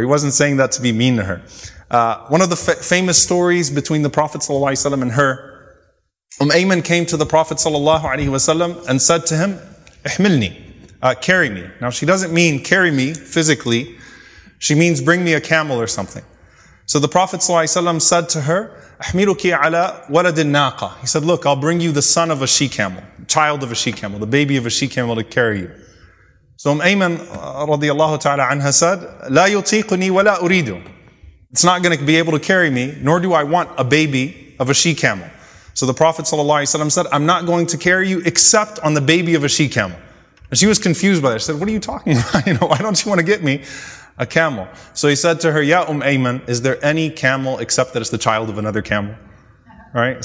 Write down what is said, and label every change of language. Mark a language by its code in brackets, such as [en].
[en] He wasn't saying that to be mean to her. One of the famous stories between the Prophet ﷺ and her, Ayman came to the Prophet ﷺ and said to him, [ar] احملني, [en] carry me. Now she doesn't mean carry me physically, she means bring me a camel or something. So the Prophet ﷺ said to her, [ar] احملكي على ولد الناقة. [en] He said, look, I'll bring you the son of a she-camel, child of a she-camel, the baby of a she-camel to carry you. So Ayman radiallahu ta'ala anha said, [ar] لا يطيقني ولا أريد. [en] It's not going to be able to carry me, nor do I want a baby of a she-camel. So the Prophet ﷺ said, I'm not going to carry you except on the baby of a she-camel. And she was confused by this. She said, what are you talking about? You know, why don't you want to get me a camel? So he said to her, Ya Ayman, is there any camel except that it's the child of another camel? Right?